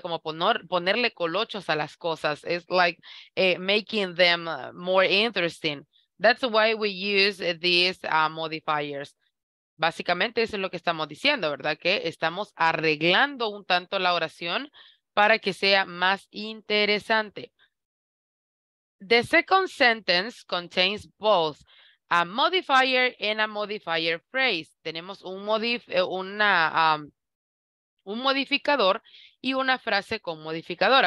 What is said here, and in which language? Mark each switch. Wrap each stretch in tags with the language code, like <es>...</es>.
<es>Como ponerle colochos a las cosas.</es> <en>It's like making them more interesting. That's why we use these modifiers.</en> <es>Básicamente eso es lo que estamos diciendo, ¿verdad? Que estamos arreglando un tanto la oración para que sea más interesante.</es> <en>The second sentence contains both a modifier and a modifier phrase.</en> <es>Tenemos un modificador y una frase con modificador.</es>